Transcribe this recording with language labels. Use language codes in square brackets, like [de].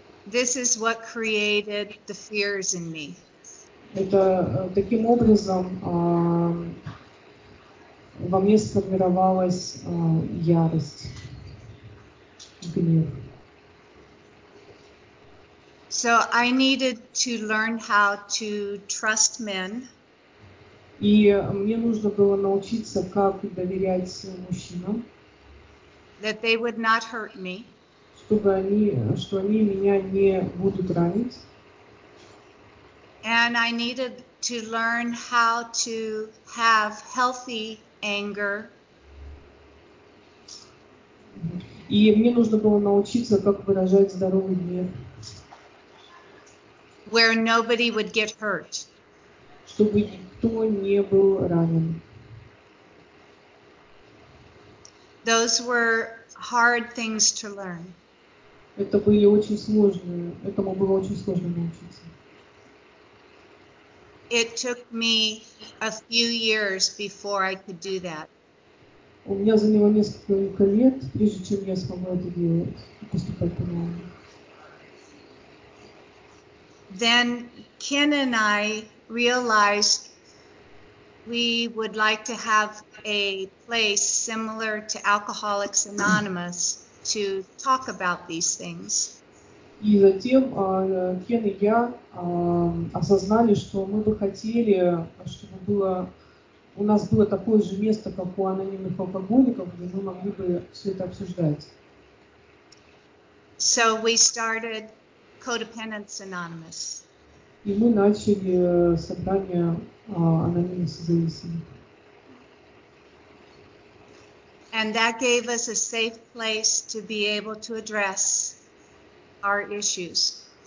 [en] This is what created the fears in me. [ru] Это таким образом во мне сформировалась ярость, гнев. [en] So I needed to learn how to trust men. [ru] И мне нужно было научиться, как доверять мужчинам. [en] That they would not hurt me. [ru] Чтобы они меня не будут ранить. [en] And I needed to learn how to have healthy anger. [ru] И мне нужно было научиться, как выражать здоровый гнев. [en] Where nobody would get hurt. [ru] Чтобы никто не был ранен. [en] Those were hard things to learn. [ru] Это были очень сложные, этому было очень сложно научиться. [en] It took me a few years before I could do that. [ru] У меня заняло несколько лет, прежде чем я смогла это делать, поступать по моему. [en] Then Ken and I realized we would like to have a place similar to Alcoholics Anonymous to talk about these things. [ru] И затем Кен и я осознали, что мы бы хотели, чтобы было у нас было такое же место, как у анонимных алкоголиков, где мы могли бы все это обсуждать. [en] So we started Codependents Anonymous. [ru] И мы начали собрание анонимных зависимых. [en] And that gave us a safe place to be able to address our issues.